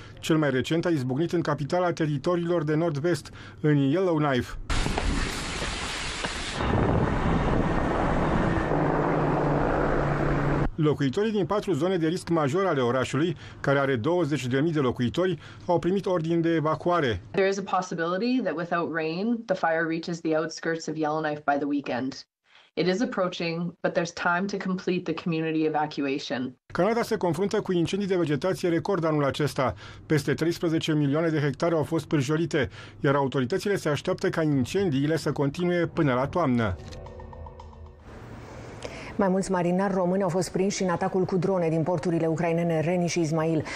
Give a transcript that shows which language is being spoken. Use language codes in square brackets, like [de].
[ro] Cel mai recent a izbucnit în capitala Teritoriilor de Nord-Vest, în Yellowknife. Locuitorii din patru zone de risc major ale orașului, care are 20.000 de locuitori, au primit ordin de evacuare. [en] There is a possibility that without rain, the fire reaches the outskirts of Yellowknife by the weekend. It is approaching, but there's time to complete the community evacuation. [ro] Canada se confruntă cu incendii de vegetație record anul acesta. Peste 13 milioane de hectare au fost pârjolite, iar autoritățile se așteaptă ca incendiile să continue până la toamnă. Mai mulți marinari români au fost prinși în atacul cu drone din porturile ucrainene Reni și Izmail.